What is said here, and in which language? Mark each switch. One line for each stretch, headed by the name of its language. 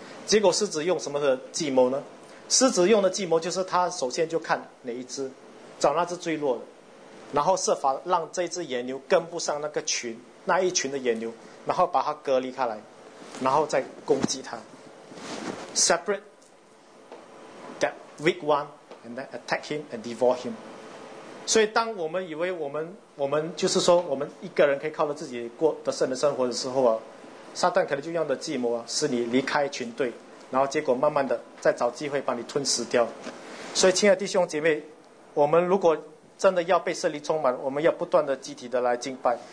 Chinese: 结果狮子用什么的计谋呢？狮子用的计谋就是他首先就看哪一只，找那只最弱的，然后设法让这只野牛跟不上那个群，那一群的野牛，然后把它隔离开来，然后再攻击它。
English: Separate that weak one and then attack him and devour him.
Chinese: 所以当我们以为我们就是说我们一个人可以靠着自己过得胜的生活的时候啊，撒旦可能就用的计谋啊，使你离开群队，然后结果慢慢的再找机会把你吞噬掉。所以亲爱的弟兄姐妹，我们如果真的要被圣灵充满，我们要不断的集体的来敬拜。